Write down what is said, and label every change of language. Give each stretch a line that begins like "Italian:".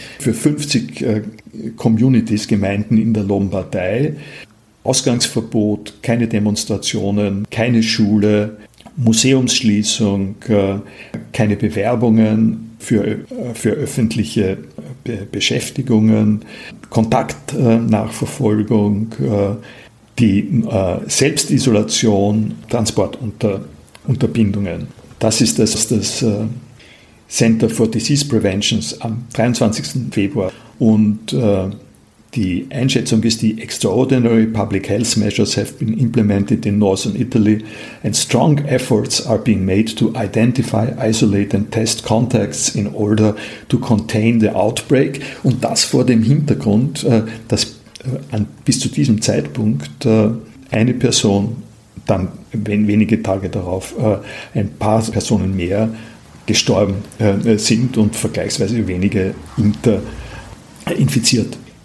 German: Für 50 Communities, Gemeinden in der Lombardei, Ausgangsverbot, keine Demonstrationen, keine Schule, Museumsschließung, keine Bewerbungen für öffentliche Beschäftigungen, Kontaktnachverfolgung, die Selbstisolation, Transportunterbindungen. Das ist das, was das Center for Disease Prevention am 23. Februar. Und die Einschätzung ist, die
English: Extraordinary Public Health Measures have been implemented in Northern Italy and strong efforts are being made to identify, isolate and test contacts in order to contain the outbreak.
German: Und das vor dem Hintergrund, dass bis zu diesem Zeitpunkt eine Person, dann wenige Tage darauf ein paar Personen mehr gestorben sind und vergleichsweise wenige infiziert.